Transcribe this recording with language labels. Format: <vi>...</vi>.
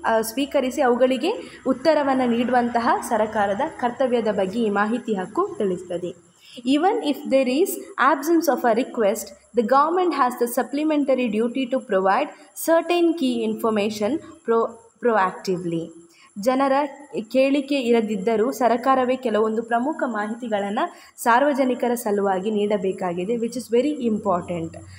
<kn>ಸ್ವೀಕರಿಸಿ ಅವುಗಳಿಗೆ ಉತ್ತರವನ್ನು ನೀಡುವಂತಹ ಸರ್ಕಾರದ ಕರ್ತವ್ಯದ ಬಗ್ಗೆ ಈ ಮಾಹಿತಿ ಹಕ್ಕು ತಿಳಿಸ್ತದೆ.</kn> <en>Even if there is absence of a request, the government has the supplementary duty to provide certain key information proactively.</en> <kn>ಜನರ ಕೇಳಿಕೆ ಇರದಿದ್ದರೂ ಸರ್ಕಾರವೇ ಕೆಲವೊಂದು ಪ್ರಮುಖ ಮಾಹಿತಿಗಳನ್ನು ಸಾರ್ವಜನಿಕರ ಸಲುವಾಗಿ ನೀಡಬೇಕಾಗಿದೆ,</kn> <en>Which is very important.</en>